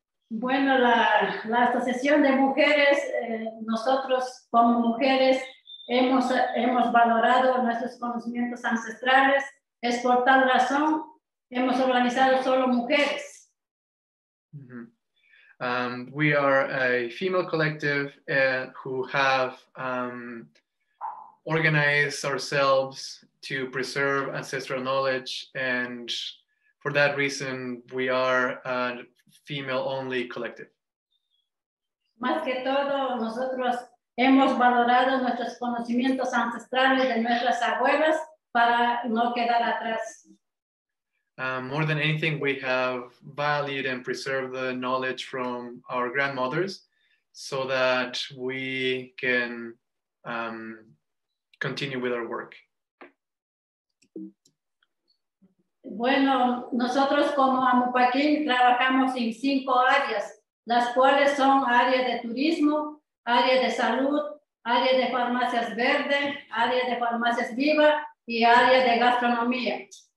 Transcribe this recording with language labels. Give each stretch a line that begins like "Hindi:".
Spanish: Bueno, la Asociación de Mujeres, nosotros como mujeres, Hemos valorado nuestros conocimientos ancestrales. Es por tal razón hemos organizado solo mujeres. Mm-hmm.
English: We are a female collective who have organized ourselves to preserve ancestral knowledge. And for that reason, we are a female-only collective.
Spanish: Más que todo, nosotros hemos valorado nuestros conocimientos ancestrales de nuestras abuelas para no quedar atrás.
English: More than anything, we have valued and preserved the knowledge from our grandmothers so that we can continue with our work.
Spanish: Bueno, nosotros como Amupaquín trabajamos en 5 áreas, las cuales son área de turismo, área de salud, área de farmacias verde, área de farmacias viva y área de gastronomía.